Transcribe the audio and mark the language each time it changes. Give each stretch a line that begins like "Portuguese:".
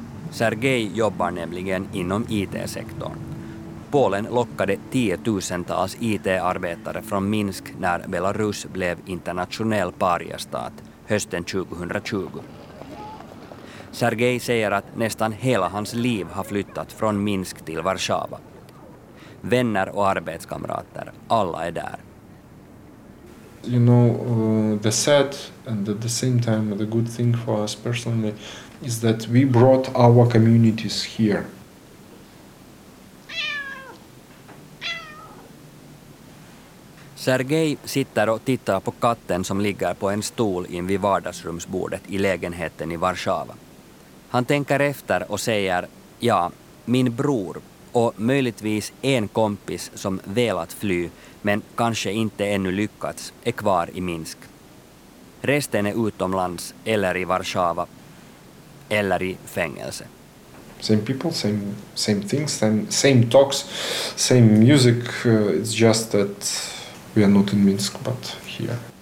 Swedish: Sergej jobbar nämligen inom IT-sektorn. Polen lockade tiotusentals IT-arbetare från Minsk när Belarus blev internationell pariastat hösten 2020. Sergej säger att nästan hela hans liv har flyttat från Minsk till Warszawa. Vänner och arbetskamrater, alla är där.
English: You know, the sad and at the same time the good thing for us personally is that we brought our communities here.
Swedish: Sergej sitter och tittar på katten som ligger på en stol in vid vardagsrumsbordet i lägenheten i Warszawa. Han tänker efter och säger, ja, min bror och möjligtvis en kompis som velat fly men kanske inte ännu lyckats är kvar i Minsk. Resten är utomlands eller i Warszawa eller i fängelse.
English: Same people, same things, same talks, same music, it's just that we are not in Minsk but here.